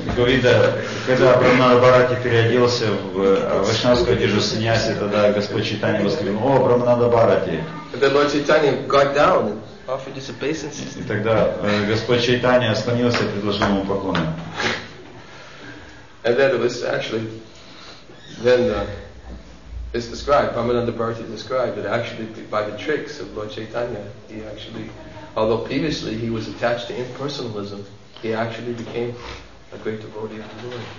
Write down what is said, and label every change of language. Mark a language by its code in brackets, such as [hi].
[ru] And когда Брахмананда Бхарати переоделся в вайшнавскую одежду саньяси, тогда Господь Чайтанья воскликнул, о, Брахмананда Бхарати. [en] And then Lord Chaitanya got down and offered his obeisances. [ru] И тогда Господь Чайтанья склонился и предложил ему поклоны. [en] And then it was actually... Then it's described, Brahmananda Bharati described that actually by the tricks of Lord Chaitanya, he actually, although previously he was attached to impersonalism, he actually became a great devotee of the Lord.